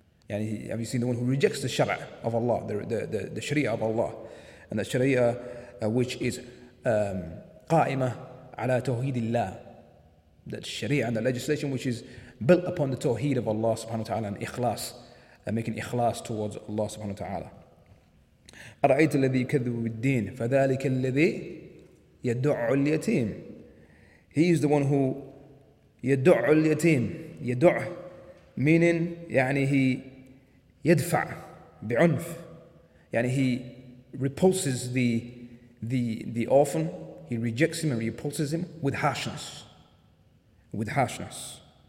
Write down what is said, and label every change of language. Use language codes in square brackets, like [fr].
[en] يعني, have you seen the one who rejects the shara' of Allah, the sharia of Allah, and the sharia which is [ar] qa'ima ala tawheed Allah, [en] that sharia and the legislation which is built upon the tawheed of Allah subhanahu wa ta'ala, and ikhlas, and making ikhlas towards Allah subhanahu wa ta'ala. [ar] أرأيت الذي يكذب بالدين فذلك الذي يدعو اليتيم. [en] He is the one who [ar] يدعو اليتيم. [en] يدعو meaning, يعني he [ar] يدفع بعنف, [en] يعني he repulses the orphan, he rejects him and repulses him with harshness, with harshness.